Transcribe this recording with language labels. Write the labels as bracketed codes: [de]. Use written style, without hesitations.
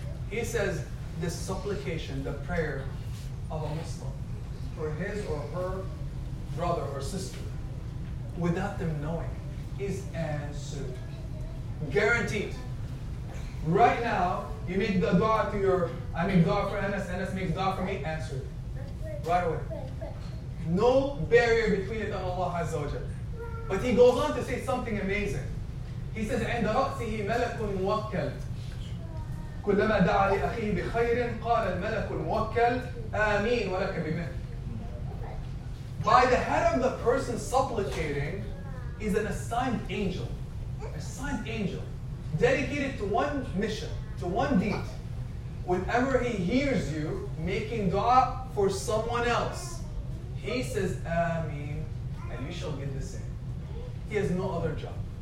[en] He says, the supplication, the prayer of a Muslim for his or her brother or sister, without them knowing, is answered. Guaranteed. Right now, you make the dua to your, I make dua for Anas, Anas makes dua for me, answered. Right away. No barrier between it and Allah Azza wa Jalla. But he goes on to say something amazing. [ar] He says, عند رأسه ملك موكل كلما دعا لأخيه بخير قال الملك الموكل آمين ولك بمن. [en] By the head of the person supplicating is an assigned angel. Assigned angel. Dedicated to one mission, to one deed. Whenever he hears you making dua for someone else, he says, Ameen, and you shall get the same. He has no other job.